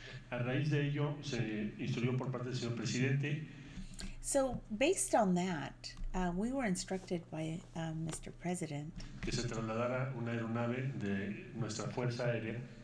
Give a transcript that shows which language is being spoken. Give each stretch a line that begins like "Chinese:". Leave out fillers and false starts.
Spanish: A raíz de ello se instruyó por parte del señor presidente.
English: So based on that, we were instructed by Mr. President
Spanish: que se trasladara una aeronave de nuestra fuerza aérea.